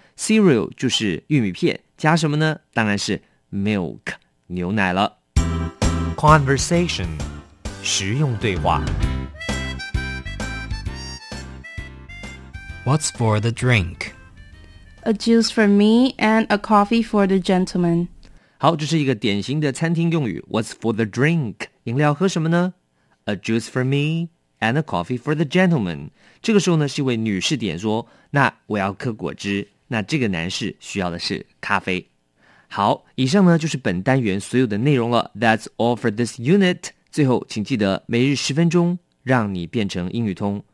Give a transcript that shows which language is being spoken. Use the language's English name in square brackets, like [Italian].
[Chinese] Cereal 就是玉米片，加什么呢？当然是Milk, 牛奶了。 Conversation, 实用对话。 [English] What's for the drink? A juice for me and a coffee for the gentleman. [Chinese] 好，这是一个典型的餐厅用语。 [English] What's for the drink? [Chinese] 饮料喝什么呢？ [English] A juice for me and a coffee for the gentleman. [Chinese] 这个时候呢，是一位女士点说，那我要喝果汁，那这个男士需要的是咖啡。好，以上呢就是本单元所有的内容了。 [English] That's all for this unit. [Chinese] 最后请记得每日十分钟，让你变成英语通。